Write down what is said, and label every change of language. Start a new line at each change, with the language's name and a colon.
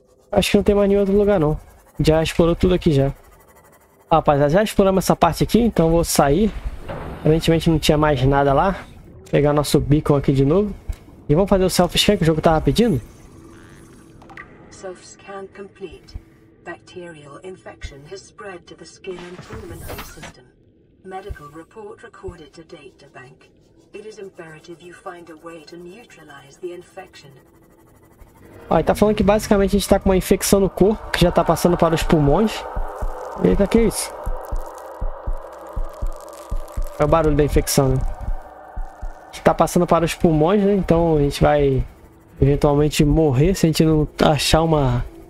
Portuguese: Acho que não tem mais nenhum outro lugar não. Já explorou tudo aqui já. Rapaziada, já exploramos essa parte aqui, então vou sair. Aparentemente não tinha mais nada lá. Vou pegar nosso beacon aqui de novo. E vamos fazer o self-scan que o jogo tava pedindo.
English: Self-scan complete. Bacterial infection has spread to the skin and pulmonary system. Medical report recorded to data bank. It is imperative you find a way to neutralize the infection.
Portuguese: Ó, ele tá falando que basicamente a gente tá com uma infecção no corpo, que já tá passando para os pulmões. Eita, que é isso? É o barulho da infecção, né? A gente tá passando para os pulmões, né? Então a gente vai eventualmente morrer se a gente não achar uma...